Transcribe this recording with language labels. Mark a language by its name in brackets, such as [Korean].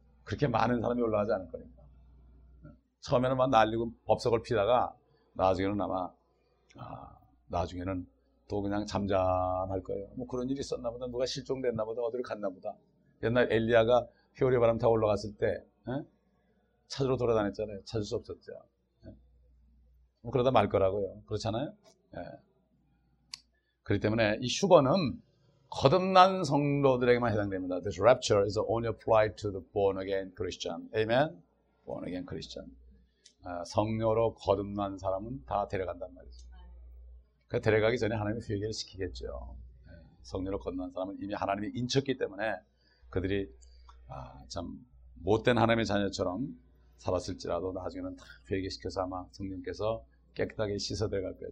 [Korean] 그렇게 많은 사람이 올라가지 않을 거니까. 처음에는 막 날리고 법석을 피다가 나중에는 아마 나중에는 또 그냥 잠잠할 거예요. 뭐 그런 일이 있었나 보다. 누가 실종됐나 보다. 어디를 갔나 보다. 옛날 엘리야가 효리 바람 타고 올라갔을 때 찾으러 돌아다녔잖아요. 찾을 수 없었죠. 뭐 그러다 말 거라고요. 그렇잖아요. 예. 그렇기 때문에 이 휴거는 거듭난 성도들에게만 해당됩니다. [English] This rapture is only applied to the born again Christian. Amen. Born again Christian. [Korean] 성녀로 거듭난 사람은 다 데려간단 말이죠. 그 데려가기 전에 하나님이 회개를 시키겠죠. 성녀로 거듭난 사람은 이미 하나님이 인쳤기 때문에 그들이 참 못된 하나님의 자녀처럼 살았을지라도 나중에는 다 회개시켜서 아마 성령께서 깨끗하게 씻어들 갈 거예요.